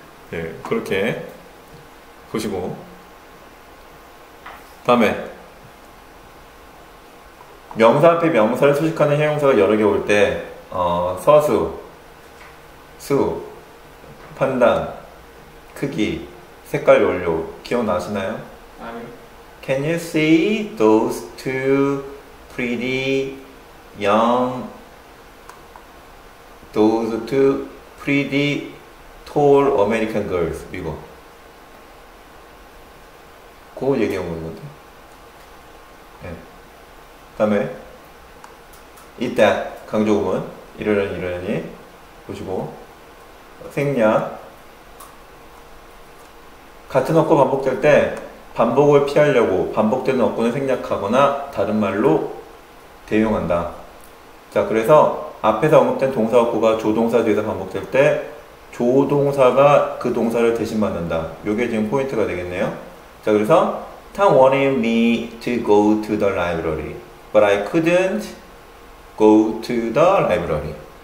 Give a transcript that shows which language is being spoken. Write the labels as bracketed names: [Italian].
[Korean] 네, 그렇게 보시고 다음에 명사 앞에 명사를 수식하는 형용사가 여러 개 올 때 서수, 수, 판단, 크기, 색깔 원료 기억나시나요? 아니요. [English] Can you see those two pretty young those two pretty tall American girls? [Korean] 이거 그거 얘기한 건데. 네. 다음에 이따 강조구문 이러려니 이러려니 보시고 생략. 같은 어구 반복될 때 반복을 피하려고 반복되는 어구는 생략하거나 다른 말로 대용한다. 자, 그래서 앞에서 언급된 동사 어구가 조동사 뒤에서 반복될 때 조동사가 그 동사를 대신 받는다. 요게 지금 포인트가 되겠네요. [English] 자, 그래서 Tom wanted me to go to the library, but I couldn't go to the library.